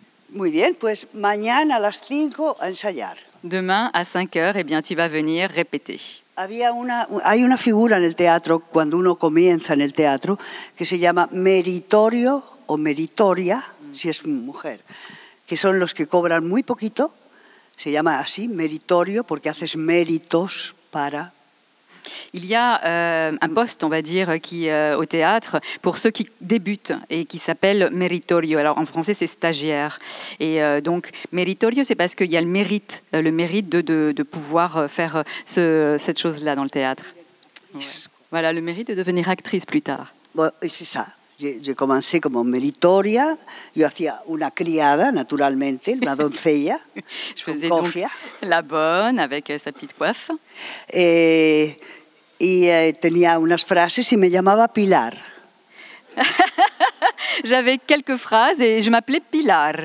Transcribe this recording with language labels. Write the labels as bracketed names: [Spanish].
[Spanish] Muy bien, pues mañana a las 5 a ensayar. [French] Demain à 5 heures, eh bien, tu vas venir répéter. [Spanish] Hay una figura en el teatro, cuando uno comienza en el teatro, que se llama meritorio o meritoria, si es mujer, que son los que cobran muy poquito. Se llama así, meritorio, porque haces méritos para... [French] Il y a un poste, on va dire, qui, au théâtre pour ceux qui débutent et qui s'appelle meritorio. Alors en français, c'est stagiaire. Et donc, meritorio, c'est parce qu'il y a le mérite de pouvoir faire cette chose-là dans le théâtre. Ouais. Voilà, le mérite de devenir actrice plus tard. Bon, c'est ça. J'ai commencé comme meritoria. Je faisais une criada, naturellement, la doncella. Je faisais donc la bonne avec sa petite coiffe. [Spanish] Et tenía unas frases y me llamaba Pilar. [French] J'avais quelques phrases et je m'appelais Pilar.